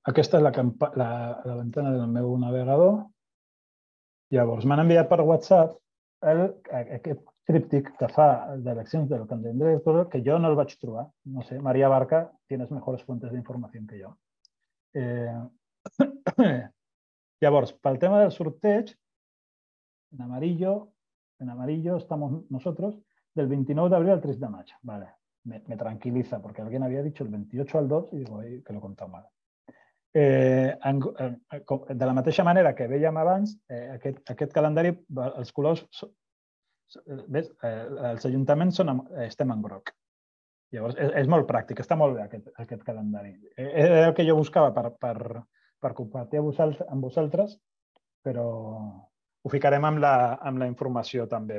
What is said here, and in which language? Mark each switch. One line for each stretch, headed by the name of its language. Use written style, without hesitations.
Catalan: Aquesta és la ventana del meu navegador. Llavors, m'han enviat per WhatsApp aquest tríptic que fa d'eleccions del candidat director, que jo no el vaig trobar. No sé, Maria Barca,
Spanish: tienes mejores fuentes
Catalan: d'informació que jo. Llavors, pel tema del sorteig,
Spanish: en amarillo estamos nosotros,
Catalan: del 29 d'abril al 3 de maig. Vale.
Spanish: Me tranquiliza, porque alguien había dicho el 28 al 2 y digo que lo he contado mal.
Catalan: De la mateixa manera que veiem abans, aquest calendari, els colors, ves, els ajuntaments estem en groc. Llavors, és molt pràctic, està molt bé aquest calendari. Era el que jo buscava per compartir amb vosaltres, però ho ficarem amb la informació també.